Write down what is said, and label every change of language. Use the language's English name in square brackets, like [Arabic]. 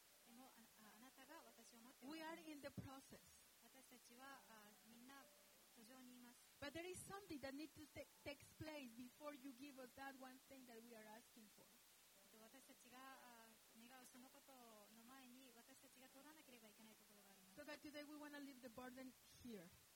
[Japanese] でもあなたが私を待っています [English] 。We are in the process. [Japanese] 私たちはみんな途上にいます。 [English] But there is something that needs to take place before you give us that one thing that we are asking for. [Japanese] 私たちが願うそのことの前に私たちが取らなければいけないところがあります。 [English] So God, today we want to leave the burden here.